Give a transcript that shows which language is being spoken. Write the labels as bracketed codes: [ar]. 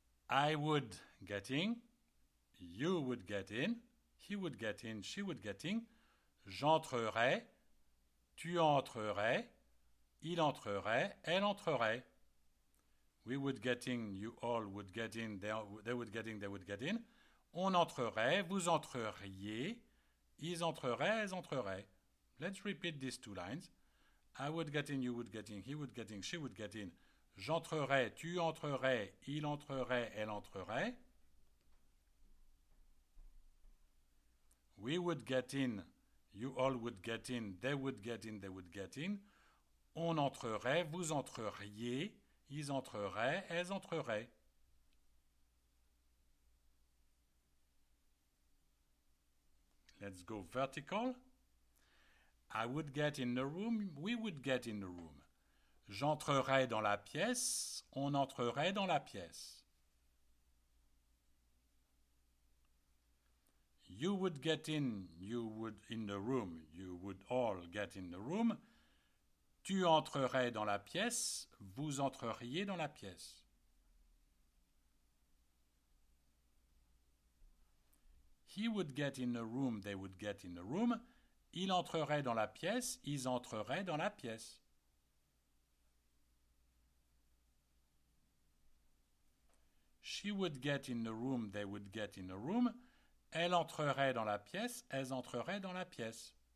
[en] I would get in, you would get in, he would get in, she would get in, [fr] j'entrerai, tu entrerais, il entrerait, elle entrerait. [en] We would get in, you all would get in, they would get in, they would get in. [fr] On entrerait, vous entreriez, ils entreraient, elles entreraient. [en] Let's repeat these two lines. I would get in, you would get in, he would get in, she would get in. [fr] J'entrerai, tu entrerais, il entrerait, elle entrerait. [en] We would get in, you all would get in, they would get in, they would get in. [fr] On entrerait, vous entreriez, ils entreraient, elles entreraient. [en] Let's go vertical. I would get in the room, we would get in the room. [fr] J'entrerai dans la pièce, on entrerait dans la pièce. [en] You would get in, you would in the room, you would all get in the room. [fr] Tu entrerais dans la pièce, vous entreriez dans la pièce. [en] He would get in the room, they would get in the room. [fr] Il entrerait dans la pièce, ils entreraient dans la pièce. [en] She would get in the room, they would get in the room. [fr] Elle entrerait dans la pièce, elles entreraient dans la pièce.